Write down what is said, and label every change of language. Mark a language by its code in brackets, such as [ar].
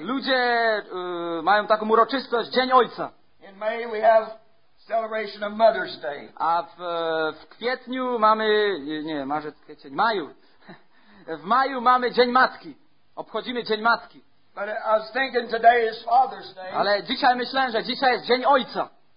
[pl] Ludzie mają taką uroczystość, Dzień Ojca. [en] In May we have celebration of Mother's Day. [pl] A w kwietniu mamy, nie, marzec, kwiecień, maju. W maju mamy Dzień Matki. Obchodzimy Dzień Matki. [en] But I was thinking today is Father's Day. [pl] Ale dzisiaj myślałem, że dzisiaj jest Dzień Ojca.